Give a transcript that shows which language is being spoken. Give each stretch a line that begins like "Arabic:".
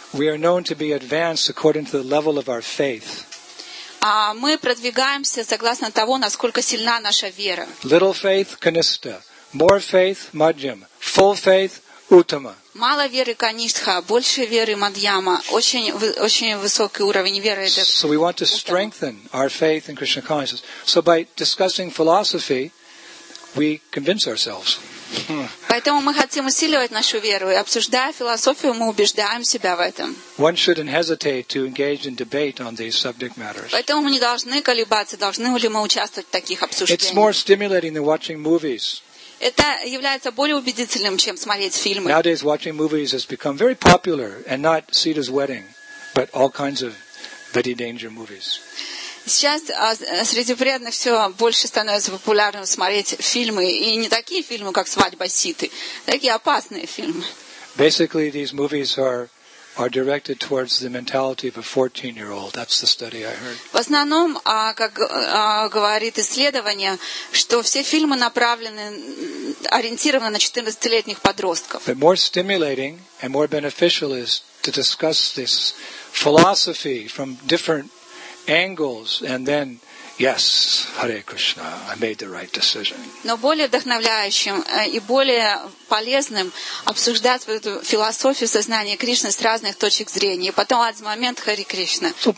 English: We are known to be advanced according to the level of our faith.
Russian: Мы продвигаемся согласно того, насколько сильна наша вера.
English: Little faith, kanishtha. More faith, madhyam. Full faith, uttama.
Russian: Мало веры канишха, больше веры мадьяма. Очень высокий уровень веры.
English: So we want to strengthen our faith in Krishna consciousness. So by discussing philosophy, we convince ourselves.
Russian: Поэтому мы хотим усиливать нашу веру. Обсуждая философию, мы убеждаем себя в этом.
English: One shouldn't hesitate to engage in debate on these subject matters.
Russian: Поэтому мы не должны колебаться, должны ли мы участвовать в таких обсуждениях.
English: It's more stimulating than watching movies.
Russian: Это является более убедительным, чем смотреть фильмы.
English: Nowadays, watching movies has become very popular, and not Sita's Wedding, but all kinds of Betty Danger movies.
Russian: Сейчас среди преданных все больше становится популярным смотреть фильмы, и не такие фильмы, как «Свадьба Ситы», такие опасные фильмы.
English: Basically, these movies are directed towards the mentality of a 14-year-old. That's the study I heard.
Russian: В основном, как говорит исследование, что все фильмы направлены, ориентированы на 14-летних подростков.
English: But more stimulating and more beneficial is to discuss this philosophy from different angles and then yes, Hare Krishna, I made the right decision.
Russian: Но более вдохновляющим и более полезным обсуждать эту философию сознания Кришны с разных точек зрения. И потом в один момент Хари Кришна.